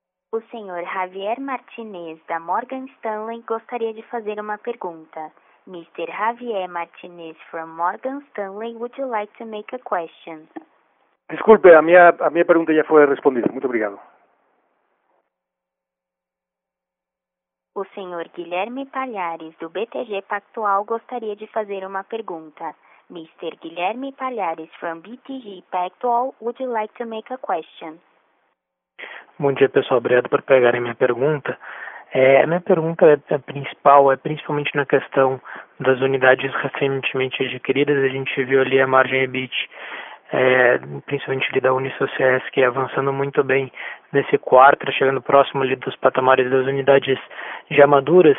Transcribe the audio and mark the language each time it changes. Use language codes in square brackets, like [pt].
[pt] O senhor Javier Martinez, da Morgan Stanley, gostaria de fazer uma pergunta. [en] Mr. Javier Martinez, from Morgan Stanley, would you like to make a question? [pt] Desculpe, a minha pergunta já foi respondida. Muito obrigado. O senhor Guilherme Palhares, do BTG Pactual, gostaria de fazer uma pergunta. [en] Mr. Guilherme Palhares, from BTG Pactual, would you like to make a question? [pt] Bom dia, pessoal. Obrigado por pegarem minha pergunta. A minha pergunta é principalmente na questão das unidades recentemente adquiridas. A gente viu ali a margem EBIT, principalmente ali da Unisociesc, que é avançando muito bem nesse quarto, chegando próximo ali dos patamares das unidades já maduras.